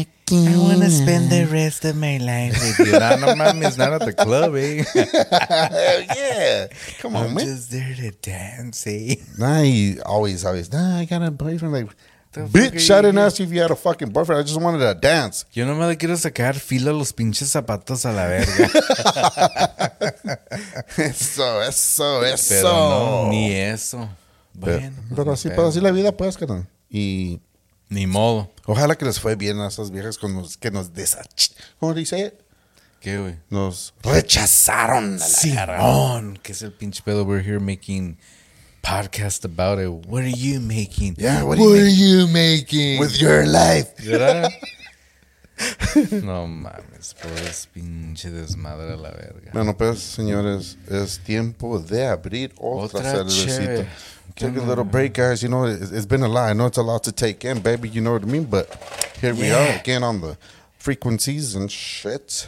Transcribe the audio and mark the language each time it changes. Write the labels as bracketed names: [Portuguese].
[English] I want to spend the rest of my life with you. [Spanish] No, mames, [English] not at the club, eh? Yeah. Come on, I'm man. I'm just there to dance, eh? Nah, you always. Nah, I got a boyfriend. Like, bitch, I didn't ask you if you had a fucking boyfriend. I just wanted to dance. [Spanish] Yo no me le quiero sacar filo a los pinches zapatos a la verga. Eso. Pero no, ni eso. Bueno. Pero así la vida, pues, carnal. Y ni modo. Ojalá que les fue bien a esas viejas con los que nos desach. ¿Cómo dice? ¿Qué, güey? Nos rechazaron. Simón. ¿Qué es el pinche pedo? [English] We're here making podcast about it. What are you making? Yeah, what are you making? With your life. [Spanish] No mames, pues pinche desmadre la verga. Bueno, pues señores, es tiempo de abrir otra cervecita. [English] Take a little break, guys. You know, it's been a lot. I know it's a lot to take in, baby. You know what I mean? But here we are again on the frequencies and shit.